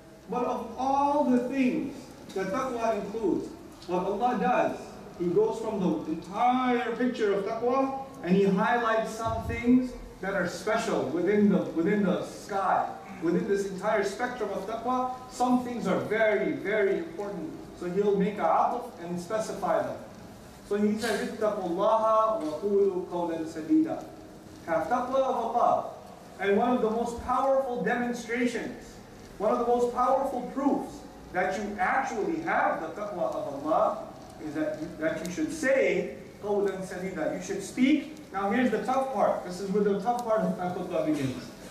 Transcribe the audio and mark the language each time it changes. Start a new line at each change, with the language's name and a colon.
English: But of all the things that taqwa includes, what Allah does, He goes from the entire picture of taqwa and He highlights some things that are special within the sky. Within this entire spectrum of taqwa, some things are very, very important. So He'll make a atf and specify them. So He says,
Arabic: اِتَّقُوا اللَّهَ وَقُولُوا قَوْلًا سَدِيدًا.
English: Have taqwa of Allah. And one of the most powerful demonstrations, one of the most powerful proofs that you actually have the taqwa of Allah is that you should say
Arabic: قَوْلًا سَدِيدًا.
English: You should speak. Now here's the tough part. This is where the tough part of taqwa begins.